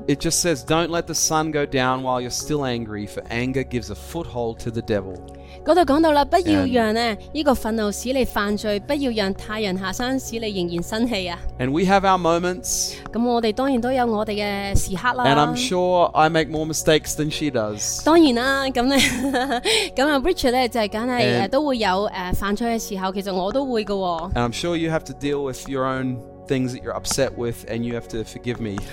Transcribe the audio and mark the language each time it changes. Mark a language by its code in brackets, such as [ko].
[en] It just says, "Don't let the sun go down while you're still angry, for anger gives a foothold to the devil." [yue] 嗰度讲到啦，不要让咧呢个愤怒使你犯罪，不要让太阳下山使你仍然生气啊。 [en] And we have our moments. [yue] 咁我哋当然都有我哋嘅时刻啦。 [en] And I'm sure I make more mistakes than she does. [yue] 当然啦，咁咧。咁啊 ，Richard 咧就系梗系都会有犯错嘅时候，其实我都会噶。 [en] And I'm sure you have to deal with your own things that you're upset with, and you have to forgive me.